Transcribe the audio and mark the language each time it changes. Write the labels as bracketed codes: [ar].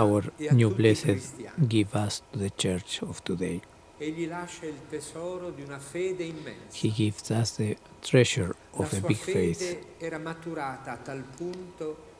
[en] What our new blessed give us to the church of today? [it] Egli lascia il tesoro di una fede immensa. [en] He gives us the treasure of a big faith. [it] La sua fede era maturata a tal punto.